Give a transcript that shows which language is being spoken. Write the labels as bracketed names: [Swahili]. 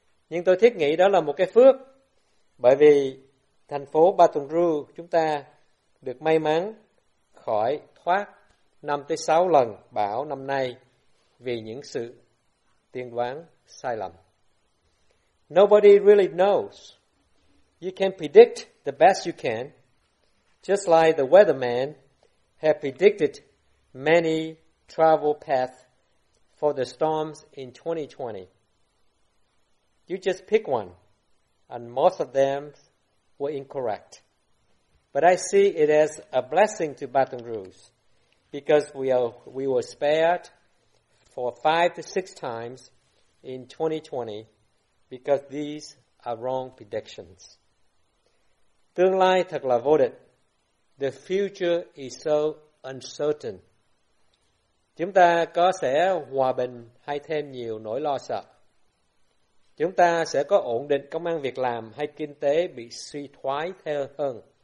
[Vietnamese] Nhưng tôi thiết nghĩ đó là một cái phước, bởi vì thành phố Baton Rouge chúng ta được may mắn khỏi thoát 5-6 lần bão năm nay vì những sự tiên đoán sai lầm. [English] Nobody really knows. You can predict the best you can, just like the weatherman have predicted many travel paths for the storms in 2020. You just pick one, and most of them were incorrect. But I see it as a blessing to Baton Rouge, because we were spared for 5-6 times in 2020, because these are wrong predictions. [Vietnamese] Tương lai thật là vô định. [English] The future is so uncertain. [Vietnamese] Chúng ta có sẽ hòa bình hay thêm nhiều nỗi lo sợ. Chúng ta sẽ có ổn định công ăn việc làm hay kinh tế bị suy thoái theo hơn.